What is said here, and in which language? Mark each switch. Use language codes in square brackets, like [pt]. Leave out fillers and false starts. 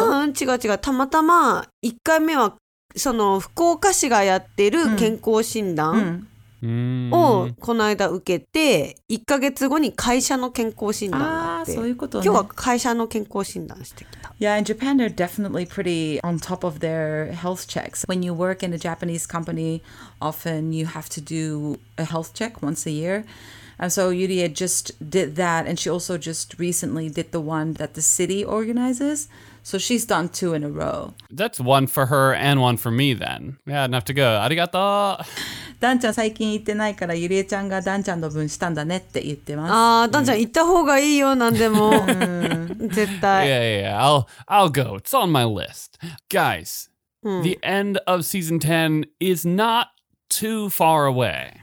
[ja] 違う。たまたま1回目は、その福岡市がやってる健康診断をこの間受けて、1ヶ月後に会社の健康診断があって、そういうことね、今日は会社の健康診断してきた。 [en] Yeah, in Japan they're definitely pretty on top of their health checks. When you work in a Japanese company, often you have to do a health check once a year. And so Yuria just did that, and she also just recently did the one that the city organizes. So she's done 2 in a row. That's one for her and one for me then. Yeah, enough to go. Arigato! [ja] ダンちゃん最近行ってないからゆりえちゃんがダンちゃんの分したんだねって言ってます。あ、ダンちゃん行った方がいいよ、なんでも。絶対。 [en] Yeah, yeah, yeah. I'll go. It's on my list. Guys, the end of season 10 is not too far away.